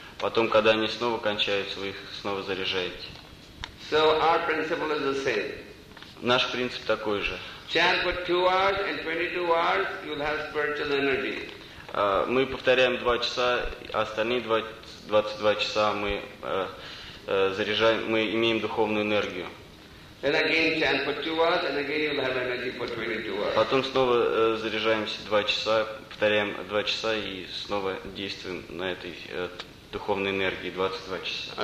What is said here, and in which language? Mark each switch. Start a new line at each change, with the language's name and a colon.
Russian: Потом, когда они снова кончаются, вы их снова заряжаете.
English: So our principle is the same.
Russian: Наш принцип такой же.
English: Chant for 2 hours and 22 hours, you'll have spiritual energy.
Russian: Мы повторяем 2 часа, а остальные 22 часа мы имеем духовную энергию.
English: And again chant for 2 hours and again you'll have energy for 22 hours.
Russian: Потом снова заряжаемся 2 часа, повторяем 2 часа и снова действуем на этой духовной энергии 22 часа.